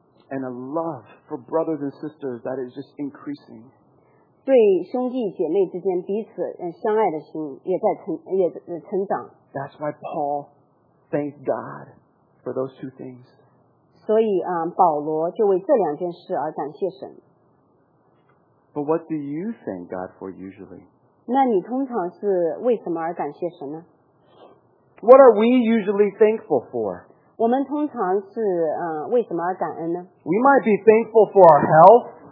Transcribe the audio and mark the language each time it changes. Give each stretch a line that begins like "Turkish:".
English: And a love for brothers and sisters that is just increasing.
Chinese: 对兄弟姐妹之间彼此相爱的心也在成长。
English: That's why Paul thanks God. For those two things.
Chinese: 所以保罗就为这两件事而感谢神。
English: But what do you thank God for usually?
Chinese: 那你通常是为什么而感谢神呢?
English: What are we usually thankful for?
Chinese: 我们通常是为什么而感恩呢?
English: We might be thankful for our health.